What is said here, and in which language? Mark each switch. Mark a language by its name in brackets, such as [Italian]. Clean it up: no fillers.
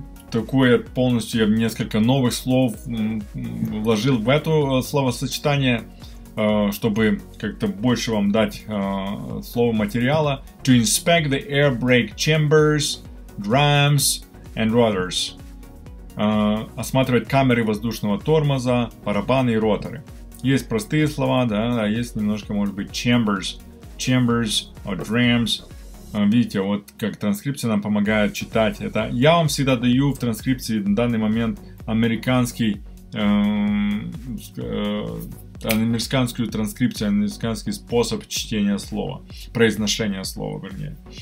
[Russian] Такое полностью, я несколько новых слов вложил в это словосочетание, чтобы как-то больше вам дать слово материала. [English] To inspect the air brake chambers, drums and rotors. [Russian] Осматривать камеры воздушного тормоза, барабаны и роторы. Есть простые слова, да, есть немножко, может быть, [English] chambers or drums. [Russian] Видите, вот как транскрипция нам помогает читать это. Я вам всегда даю в транскрипции на данный момент американскую транскрипцию, американский способ чтения слова, произношения слова, вернее.